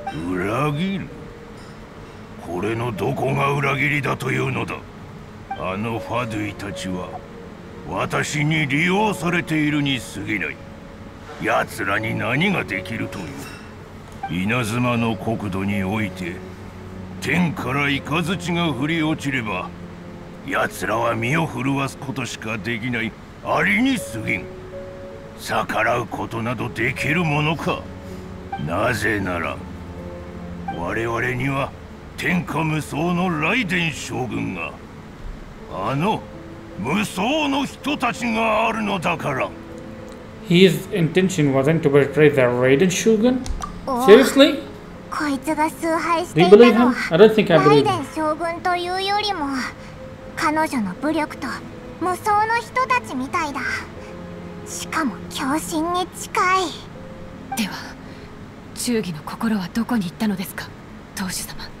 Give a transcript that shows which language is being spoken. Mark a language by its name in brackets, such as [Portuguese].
[Japanese] 裏切るこれのどこが裏切りだというのだあのファドゥイたちは私に利用されているに過ぎない奴らに何ができるという稲妻の国土において天から雷が降り落ちれば奴らは身を震わすことしかできないアリに過ぎん逆らうことなどできるものかなぜなら我々には天下無双の雷電将軍が、あの無双の人たちがあるのだから。 [English] His intention wasn't to betray the Raiden Shogun? Seriously? [Japanese] こいつが崇拝していたのは、 [English] Do you believe him? I don't think I believe him. [Japanese] 雷電将軍というよりも、彼女の武力と無双の人たちみたいだ。しかも狂心に近い。では、忠義の心はどこに行ったのですか、当主様。